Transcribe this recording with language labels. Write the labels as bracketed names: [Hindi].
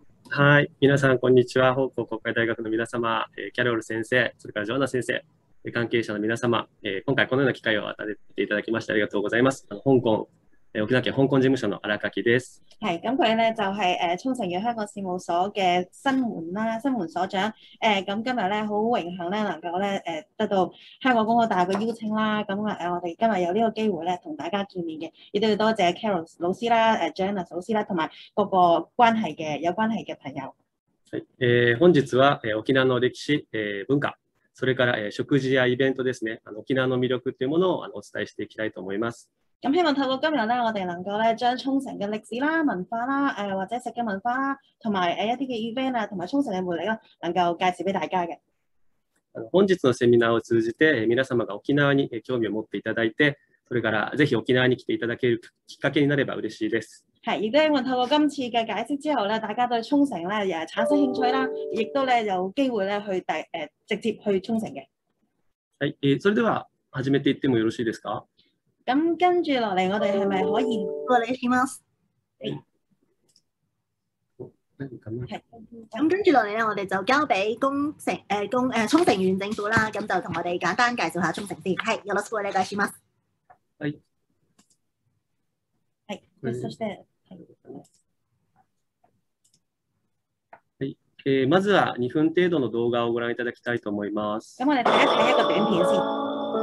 [Japanese] はい、皆さんこんにちは。本校国会大学の皆様、キャロル先生、それからジョアナ先生、関係者の皆様、今回このような機会を与えていただきましてありがとうございます。香港、沖縄県香港事務所の荒垣です。 [Cantonese] はい、咁佢咧就係、沖繩縣香港事務所嘅新門所長。咁今日咧好榮幸咧能夠咧得到香港公開大學嘅邀請啦。咁我哋今日有呢個機會咧同大家見面嘅，亦都要多謝 Carol 老師啦、Joanna 老師啦，同埋各個有關係嘅朋友。 [Japanese] はい、本日は、沖縄の歴史、文化、それから、食事やイベントですね。沖縄の魅力というものをお伝えしていきたいと思います。 [Cantonese] 咁希望透過今日咧，我哋能夠咧將沖繩嘅歷史啦、文化啦、或者食嘅文化啦，同埋一啲嘅 event 啊，同埋沖繩嘅魅力啦，能夠介紹俾大家嘅。 [Japanese] 本日のセミナーを通じて皆様が沖縄に興味を持っていただいて、それからぜひ沖縄に来ていただけるきっかけになれば嬉しいです。 [Cantonese] はい、亦都希望透過今次嘅解釋之後咧，大家對沖繩咧又產生興趣啦，亦都咧有機會咧去直接去沖繩嘅。 [Japanese] はい、それでは始めていってもよろしいですか？ [Cantonese] 咁跟住落嚟，我哋係咪可以？我嚟 [Japanese] します。 [Cantonese] 咁跟住落嚟咧，我哋就交俾沖繩縣政府啦。咁就同我哋簡單介紹下沖繩先。 [Japanese] 係，よろしくお願いします。はい。はい。そして。はい。まずは2分程度の動画をご覧いただきたいと思います。 [Cantonese] 咁我哋睇一睇一個短片先。